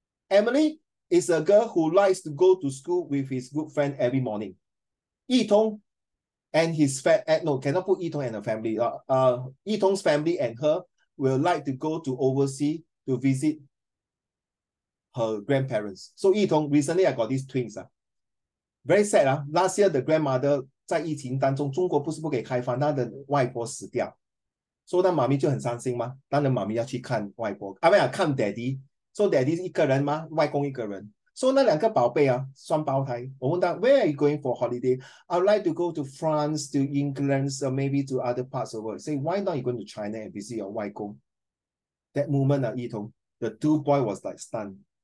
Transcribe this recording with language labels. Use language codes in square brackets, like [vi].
[en] Emily is a girl who likes to go to school with his good friend every morning. Yi Tong and his family, no, cannot put Yi Tong and her family. Yi Tong's family and her will like to go to overseas to visit her grandparents. So Yi Tong, recently I got these twins. Very sad. Last year, the grandmother, [zh] 在疫情当中，中国不是不给开放，她的外婆死掉。 [en] So [zh] 她妈咪就很伤心嘛，当然妈咪要去看外婆，看 daddy。 [en] So daddy [zh] 一个人嘛，外公一个人。 So 那两个宝贝啊，双胞胎，我问他 [en] Where are you going for holiday? I'd like to go to France, to England, so maybe to other parts of the world. Say why not you going to China and visit your 外公? That moment, Yi Tong, the two boy was like stunned.